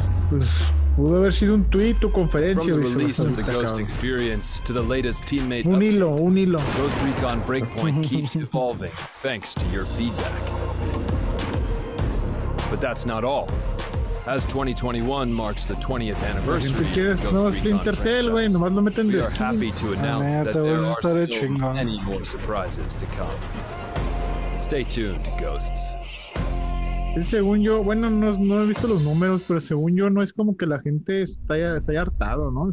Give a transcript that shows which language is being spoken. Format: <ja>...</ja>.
<es>Pues pudo haber sido un tweet o conferencia.</es> <en>From the release of the Ghost Experience to the latest teammate update.</en> <es>Un hilo.</es> <en>Ghost Recon Breakpoint keeps evolving thanks to your feedback. But that's not all. As 2021 marks the 20th anniversary of Ghost Recon Splinter Cell,</en> <es>wey, nomás lo meten de skin.</es> <en>We are happy to announce that there are still many more surprises to come. Stay tuned, ghosts.</en> <es>Según yo, bueno, no he visto los números, pero según yo no es como que la gente se haya hartado, ¿no?</es>